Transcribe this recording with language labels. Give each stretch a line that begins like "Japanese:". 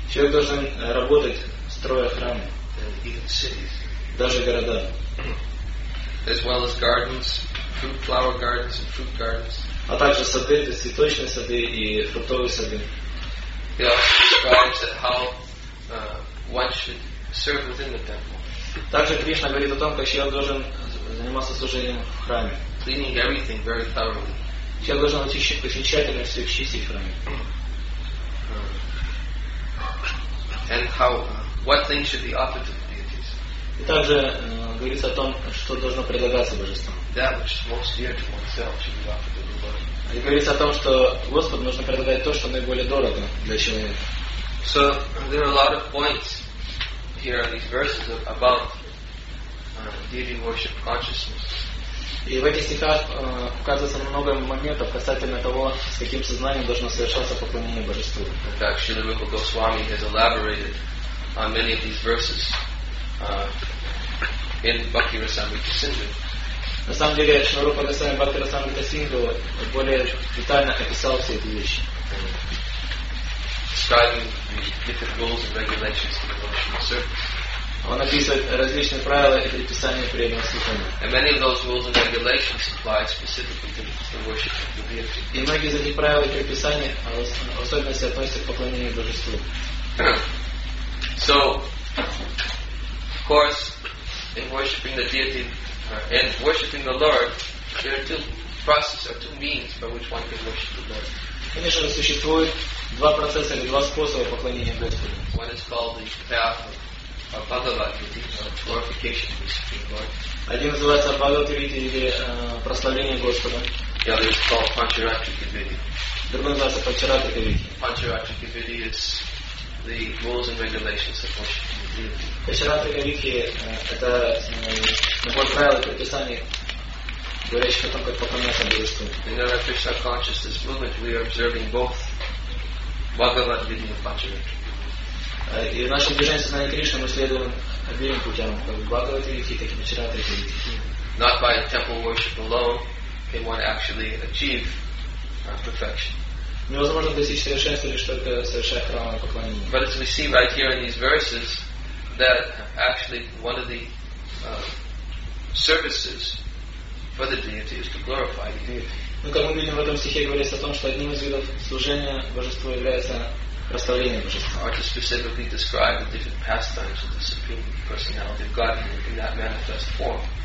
Russian: Человек должен работать, строя храмы.
English: And even cities.
Russian: Даже города.
English: As well as gardens, fruit flower gardens and fruit gardens.
Russian: А также сады, то есть цветочные сады и фруктовые сады.
English: He also describes how one should serve within the temple.
Russian: Также Кришна говорит о том, как человек должен заниматься служением в храме.
English: Cleaning everything very thoroughly.
Russian: Человек должен очень тщательно все чистить в храме.
English: And how, what things should be offered to the deities.
Russian: И также говорится о том, что должно предлагаться божествам.
English: That which is most dear to oneself should be offered to the Lord.
Russian: И говорится о том, что Господу нужно предлагать то, что наиболее дорого для человека.
English: So there are a lot of points. Here are these verses about deity worship consciousness.
Russian: И в этих стихах указывается много моментов касательно того, с каким сознанием должно совершаться поклонение Божеству.
English: In fact, Srila Rupa Goswami has elaborated on many of these verses in Bhakti Rasamrita Sindhu.
Russian: На самом деле, Srila Rupa Goswami в Бхакти Расамрита Синдху более детально описал все эти вещи.
English: Describing the different rules and regulations of devotional service.
Russian: Он описывает различные правила и предписания преданного служения.
English: And many of those rules and regulations apply specifically to the worship of the deity.
Russian: И многие из этих правил и предписаний в особенности относятся к поклонению Божеству.
English: So, of course, in worshiping the deity and worshiping the Lord, there are two processes or two means by which one can worship the Lord.
Russian: Конечно же, существует два процесса или два способа поклонения Господу.
English: One is called the path of Bhagavad-gita, or glorification of the Supreme Lord.
Russian: Один называется Bhagavad-gita или прославление Господа.
English: The other is called Pancharatri-gita.
Russian: Другой называется Pancharatri-gita.
English: Pancharatri-gita is the rules and regulations of worship of the deity.
Russian: Pancharatri-gita это набор правил и предписаний. Говорящий о том, как поклоняться Божеству.
English: In our Krishna consciousness movement, we are observing both Bhagavad-gita and Pancharatri-gita.
Russian: И в нашем движении сознания Кришны мы следуем обеим путям, как Бхагавата Вихи, так и Чарата Вихи.
English: Not by temple worship alone can one actually achieve perfection.
Russian: Невозможно достичь совершенства лишь только совершая храмовое поклонение.
English: But as we see right here in these verses, that actually one of the services for the deity is to glorify the deity.
Russian: Но как мы видим в этом стихе говорится о том, что одним из видов служения божеству является прославление божества.
English: Or to specifically describe the different pastimes of the supreme personality of God in that manifest form.